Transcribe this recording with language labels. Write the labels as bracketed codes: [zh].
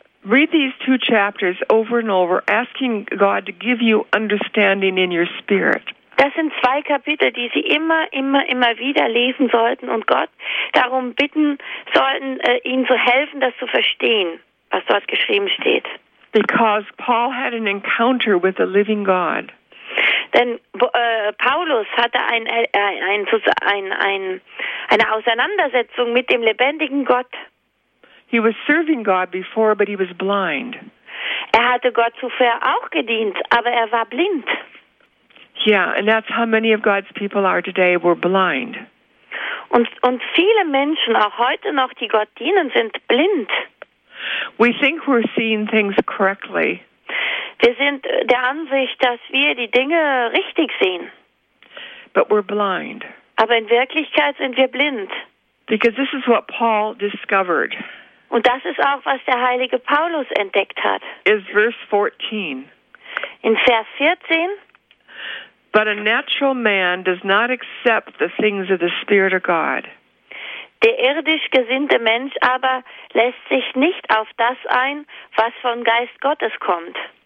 [en] Read these two chapters over and over, asking God to give you understanding in your spirit. [de] Das sind zwei Kapitel, die Sie immer, immer, immer wieder lesen sollten und Gott darum bitten sollten, Ihnen zu helfen, das zu verstehen, was dort geschrieben steht. [en] Because Paul had an encounter with the living God. [de] Denn Paulus hatte eine Auseinandersetzung mit dem lebendigen Gott. [en] He was serving God before, but he was blind. [de] Er hatte Gott zuvor auch gedient, aber er war blind. [en] Yeah, and that's how many of God's people are today, we're blind. [de] Und viele Menschen, auch heute noch, die Gott dienen, sind blind. [en] We think we're seeing things correctly. [de] Wir sind der Ansicht, dass wir die Dinge richtig sehen. [en] But we're blind. [de] Aber in Wirklichkeit sind wir blind. [en] Because this is what Paul discovered. [de] Und das ist auch, was der heilige Paulus entdeckt hat. [en] Is verse 14. [de] In Vers 14. [en] But a natural man does not accept the things of the Spirit of God. [de] Der irdisch gesinnte Mensch aber lässt sich nicht auf das ein, was vom Geist Gottes kommt.